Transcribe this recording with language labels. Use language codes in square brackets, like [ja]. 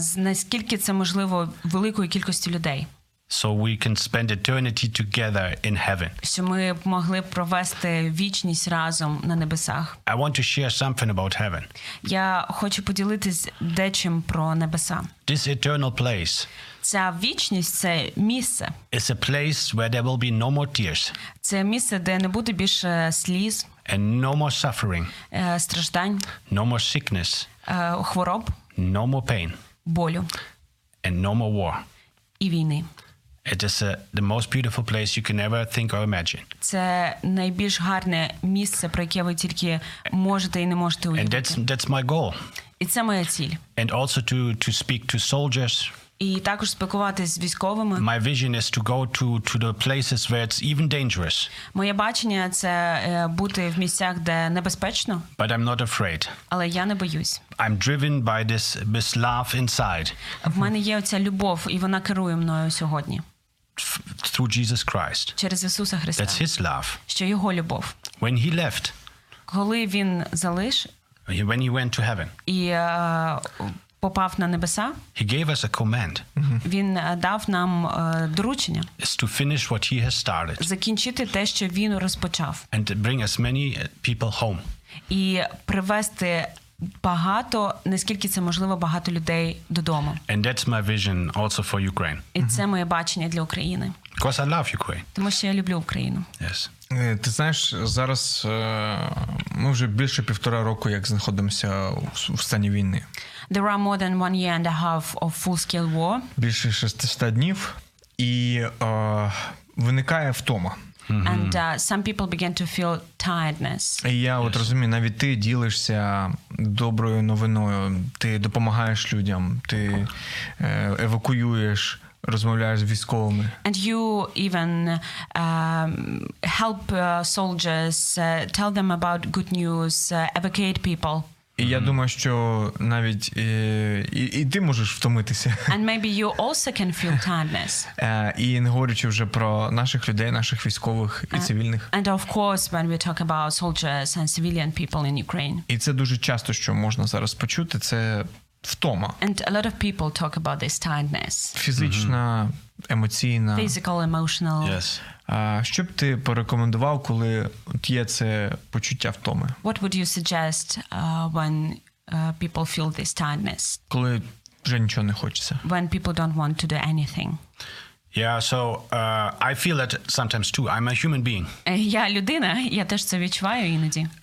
[uk] З наскільки це можливо великою кількістю людей. [en] So we can spend eternity together in heaven. [uk] Що ми могли б провести вічність разом на небесах. [en] I want to share something about heaven. [uk] Я хочу поділитись дечим про небеса. [en] This eternal place. [uk] Ця вічність – це місце. [en] It's a place where there will be no more tears. [uk] Це місце, де не буде більше сліз. [en] And no more suffering. [uk] Страждань. [en] No more sickness. [uk] Хвороб. [en] No more pain. [uk] Болю. [en] And no more war. [uk] І війни. [en] It is the most beautiful place you can ever think or imagine. [uk] Це найбільш гарне місце, про яке ви тільки можете і не можете уявити. [en] And that's my goal. [uk] І це моя ціль. [en] And also to speak to soldiers. [uk] І також спілкуватися з військовими. [en] My vision is to go to the places where it's even dangerous. [uk] Моє бачення – це бути в місцях, де небезпечно. [en] But I'm not afraid. [uk] Але я не боюсь. [en] I'm driven by this love inside. [uk] В мене є оця любов, і вона керує мною сьогодні. [en] Through Jesus Christ. [uk] Через Ісуса Христа. [en] That's His love. [uk] Що Його любов. [en] When He left. [uk] Коли Він залишив. [en] When He went to heaven. [uk] І попав на небеса. [en] He gave us a command. [uk] Він дав нам доручення. [en] Is to finish what he has started. [uk] Закінчити те, що він розпочав. [en] And bring as many people home. [uk] І привести багато, наскільки це можливо, багато людей додому. [en] And that's my vision also for Ukraine. [uk] І це моє бачення для України. [en] Because I love Ukraine. [uk] Тому що я люблю Україну. [en] Yes. [uk] Ти знаєш, зараз ми вже більше півтора року, як знаходимося в стані війни. [en] There are more than one year and a half of full-scale war. [uk] Більше 600 днів. І виникає втома. [en] Mm-hmm. And some people begin to feel tiredness. [uk] І я от розумію, навіть ти ділишся доброю новиною. Ти допомагаєш людям, ти евакуюєш. Розмовляєш з військовими. [en] And you even help soldiers, tell them about good news, evacuate people. [uk] І я думаю, що навіть і ти можеш втомитися. [en] And maybe you also can feel tiredness. [uk] І не говорячи вже про наших людей, наших військових і цивільних. [en] And of course, when we talk about soldiers and civilian people in Ukraine. [uk] І це дуже часто, що можна зараз почути, це втома. [en] And a lot of people talk about this tiredness. [uk] Фізична, емоційна. [en] Physical, emotional. Yes. [uk] Що б ти порекомендував, коли є це почуття втоми? [en] What would you suggest when people feel this tiredness? [uk] Коли вже нічого не хочеться. [en] When people don't want to do anything. Yeah, so I feel that sometimes too. I'm a human being. [uk] Я людина, я теж це відчуваю іноді.